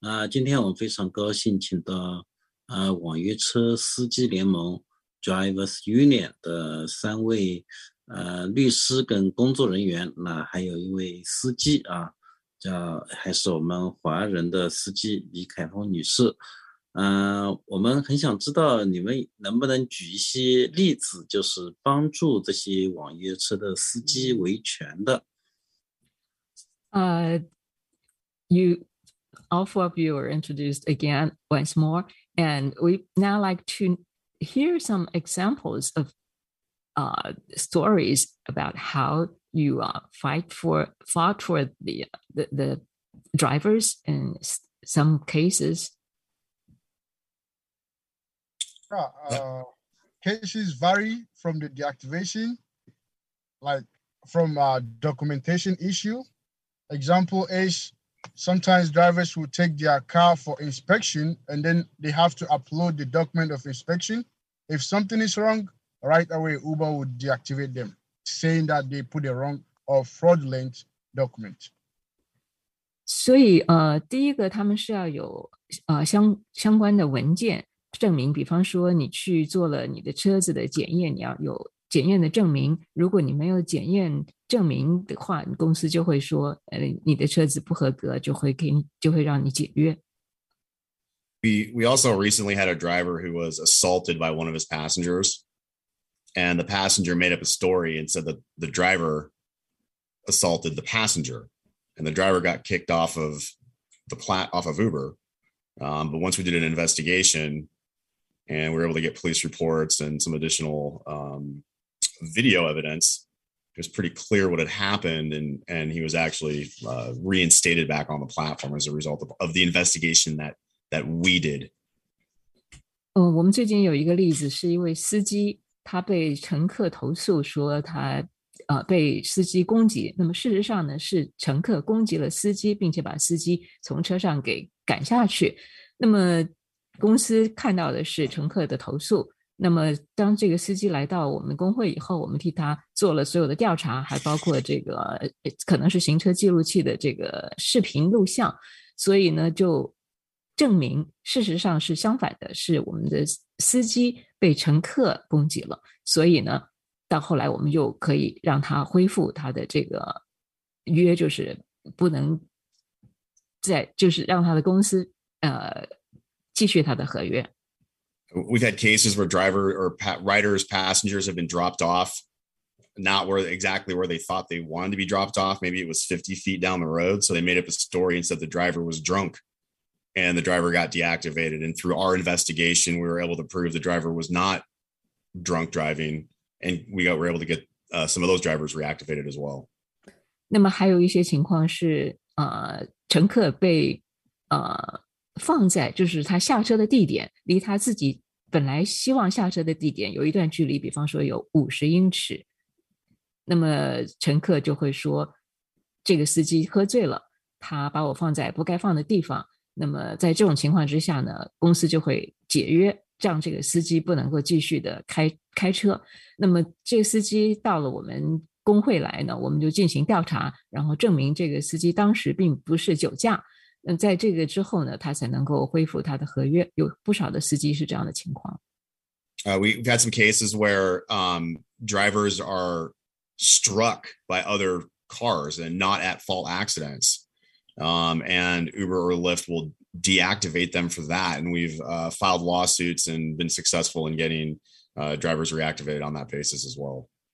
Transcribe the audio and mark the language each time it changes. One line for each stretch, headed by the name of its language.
Chinese: 今天我们非常高兴请到网约车司机联盟 Drivers Union 的三位律师跟工作人员，那还有一位司机还是我们华人的司机李凯峰女士。我们很想知道你们能不能举一些例子，就是帮助这些网约车的司机维权的。
English: You all four of you are introduced again once more, and we now like to hear some examples of stories about how you fought for the drivers in some cases. Cases vary from the deactivation, like from a documentation issue. Example is sometimes drivers will take their car for inspection and then they have to upload the document of inspection. If something is wrong, right away Uber would deactivate them, saying that they put a wrong or fraudulent document.
Chinese: 所以第一个他们是要有相关的文件证明，比方说你去做了你的车子的检验，你要有检验的证明，如果你没有检验证明的话，公司就会说你的车子不合格，就会让你解约。
English: We also recently had a driver who was assaulted by one of his passengers, and the passenger made up a story and said that the driver assaulted the passenger, and the driver got kicked off of the off of Uber. But once we did an investigation and we were able to get police reports and some additional video evidence, it was pretty clear what had happened, and he was actually reinstated back on the platform as a result of the investigation that we did.
Chinese: 我们最近有一个例子，是一位司机，他被乘客投诉说他被司机攻击。那么事实上呢，是乘客攻击了司机，并且把司机从车上给赶下去。那么公司看到的是乘客的投诉。那么当这个司机来到我们工会以后，我们替他做了所有的调查，还包括这个可能是行车记录器的这个视频录像。所以呢，就证明事实上是相反的，是我们的司机被乘客攻击了。所以呢，到后来我们就可以让他恢复他的这个约，就是不能再，就是让他的公司继续他的合约。
English: We've had cases where driver or riders, passengers have been dropped off, not where exactly where they thought they wanted to be dropped off. Maybe it was 50 feet down the road. So they made up a story and said the driver was drunk and the driver got deactivated. And through our investigation, we were able to prove the driver was not drunk driving. And we were able to get some of those drivers reactivated as well.
Chinese: 那么还有一些情况是乘客被放在就是他下车的地点离他自己本来希望下车的地点有一段距离，比方说有50英尺，那么乘客就会说这个司机喝醉了，他把我放在不该放的地方，那么在这种情况之下呢，公司就会解约，让这个司机不能够继续的开车。那么这个司机到了我们工会来呢，我们就进行调查，然后证明这个司机当时并不是酒驾，在这个之后呢，他才能够恢复他的合约。有不少的司机是这样的情况。
English: We've had some cases where drivers are struck by other cars and not at fault accidents. And Uber or Lyft will deactivate them for that. And we've filed lawsuits and been successful in getting drivers reactivated on that basis as well.